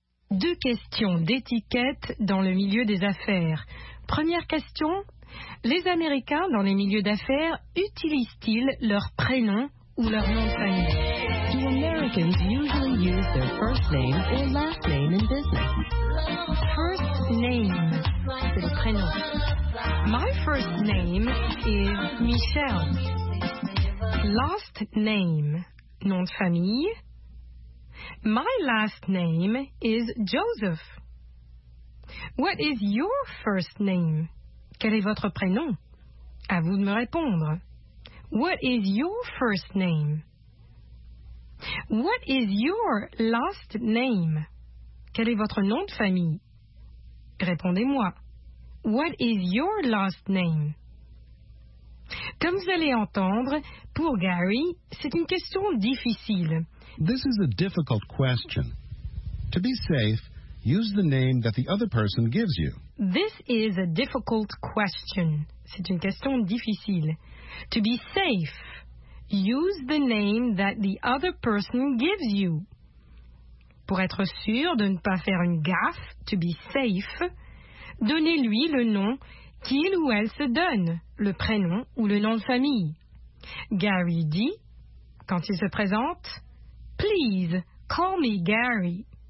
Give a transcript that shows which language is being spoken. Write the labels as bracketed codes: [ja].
[fr] Deux questions d'étiquette dans le milieu des affaires. Première question, les Américains dans les milieux d'affaires utilisent-ils leur prénom ou leur nom de famille? [en] The Americans usually use their first name or last name in business. First name, [fr] c'est le prénom. [en] My first name is Michelle. Last name, [fr] nom de famille. [en] My last name is Joseph. What is your first name? [fr] Quel est votre prénom? À vous de me répondre. [en] What is your first name? What is your last name? [fr] Quel est votre nom de famille? Répondez-moi. [en] What is your last name? [fr] Comme vous allez entendre, pour Gary, c'est une question difficile. [en] This is a difficult question. To be safe, use the name that the other person gives you. This is a difficult question. [fr] C'est une question difficile. [en] To be safe, use the name that the other person gives you. [fr] Pour être sûr de ne pas faire une gaffe, [en] to be safe, [fr] donnez-lui le nom qu'il ou elle se donne, le prénom ou le nom de famille. Gary dit, quand il se présente, [en] Please, call me Gary.